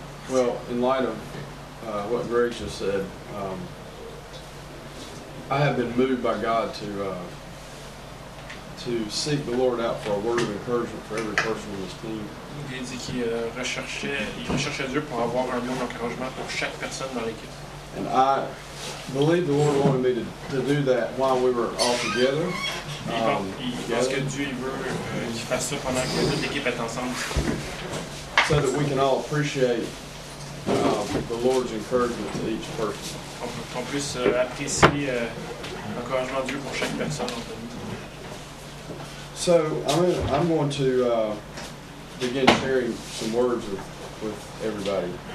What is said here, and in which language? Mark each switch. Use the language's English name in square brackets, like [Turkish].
[English] Well, in light of what Greg just said, I have been moved by God to seek the Lord out for a word of encouragement for every person on this team. [French] Il dit qu'il recherchait Dieu pour avoir un mot d'encouragement pour chaque personne dans l'équipe. [English] And I believe the Lord wanted me to do that while we were all together. [French] Parce que Dieu veut qu'il fasse ça pendant que toute l'équipe est ensemble. [English] So that we can all appreciate the Lord's encouragement to each person. [French] En plus, apprécier l'encouragement de Dieu pour chaque personne. [English] So, I'm going to begin sharing some words with everybody.